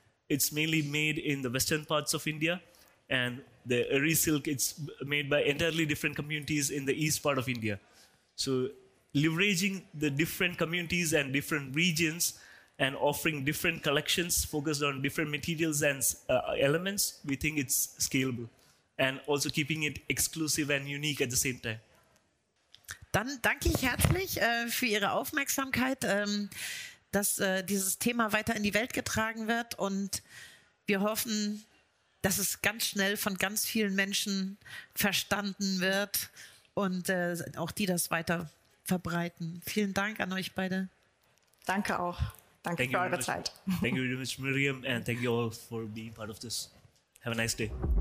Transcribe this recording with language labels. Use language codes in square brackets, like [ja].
[en] It's mainly made in the western parts of India. And the eri silk, it's made by entirely different communities in the east part of India. So leveraging the different communities and different regions and offering different collections focused on different materials and elements, we think it's scalable. And also keeping it exclusive and unique at the same time. [de] Dann danke ich herzlich für Ihre Aufmerksamkeit, dass dieses Thema weiter in die Welt getragen wird. Und wir hoffen, dass es ganz schnell von ganz vielen Menschen verstanden wird und auch die das weiter verbreiten. Vielen Dank an euch beide. Danke auch. Danke für eure Zeit. [en] Thank you very much, Miriam, and thank you all for being part of this. Have a nice day.